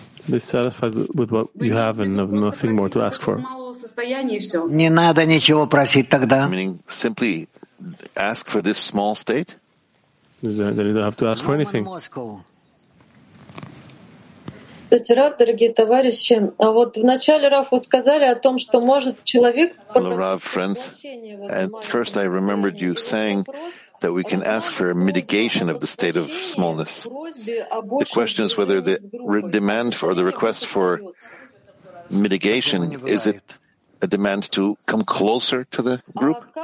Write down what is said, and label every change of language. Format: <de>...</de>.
<en>Be satisfied with what you have and have nothing more to ask for. Meaning, simply ask for this small state? Then you don't have to ask for anything.</en> <ru>Здравствуйте, Рав, дорогие товарищи. А вот вначале, Рав, вы сказали о том, что может человек...</ru> <en>Hello, Rav, friends. At first I remembered you saying that we can ask for a mitigation of the state of smallness. The question is whether the demand for, or the request for mitigation, is it a demand to come closer to the group?</en>